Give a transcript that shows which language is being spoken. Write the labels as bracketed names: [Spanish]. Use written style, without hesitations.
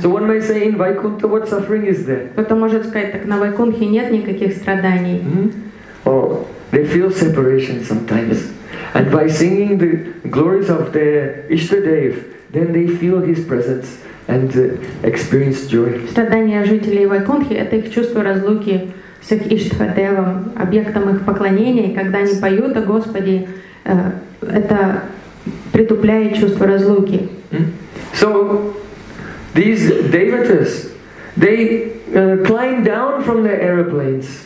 [English] So one may say, in Vaikuntha, what suffering is there? [Russian] Кто-то может сказать, так на Вайкунхе нет никаких страданий. [English] Mm-hmm. Oh, they feel separation sometimes. And by singing the glories of their Ishtadev, then they feel his presence and experience joy. [Russian] Страдания жителей Вайкунхи — это их чувство разлуки с их Ишвадевом, объектом их поклонения. И когда они поют о Господе, это притупляет чувство разлуки. [English] So these devatas, they climb down from their aeroplanes.